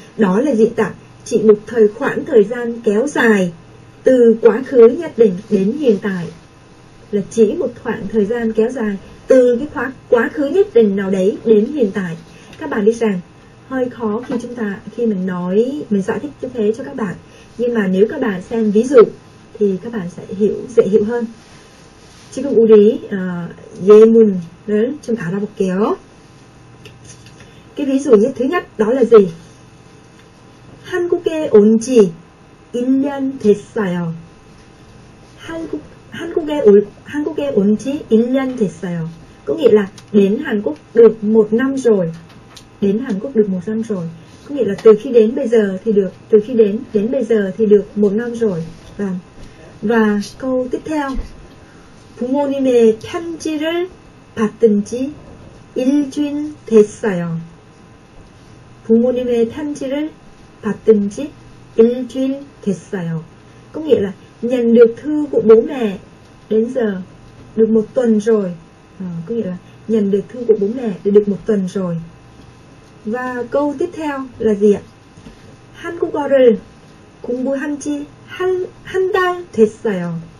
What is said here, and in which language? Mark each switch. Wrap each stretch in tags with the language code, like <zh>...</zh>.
<vi>Đó là diễn tả chỉ một thời khoảng thời gian kéo dài từ quá khứ nhất định đến hiện tại, là chỉ một khoảng thời gian kéo dài từ cái khoảng quá khứ nhất định nào đấy đến hiện tại. Các bạn biết rằng hơi khó khi chúng ta khi mình nói mình giải thích như thế cho các bạn, nhưng mà nếu các bạn xem ví dụ thì các bạn sẽ hiểu dễ hiểu hơn.</vi> <ko>지금 우리 예문을 좀 알아볼게요.</ko> <vi>그 ví dụ thứ nhất đó là gì?</vi> <ko>한국에 온지 1년 됐어요. 한국에 온지 1년 됐어요.</ko> <vi>Có nghĩa là đến Hàn Quốc được một năm rồi. Đến Hàn Quốc được một năm rồi. Có nghĩa là từ khi đến bây giờ thì được. Từ khi đến đến bây giờ thì được một năm rồi. Và câu tiếp theo.</vi> <ko>부모님의 편지를 받은 지 일주일 됐어요. 부모님의 편지를 받은 지 일주일 됐어요.</ko> <vi>Có nghĩa là nhận được thư của bố mẹ đến giờ được một tuần rồi. Có nghĩa là nhận được thư của bố mẹ để được một tuần rồi. Và câu tiếp theo là gì ạ?</vi> <ko>한국어를 공부한 지 한달 됐어요.</ko>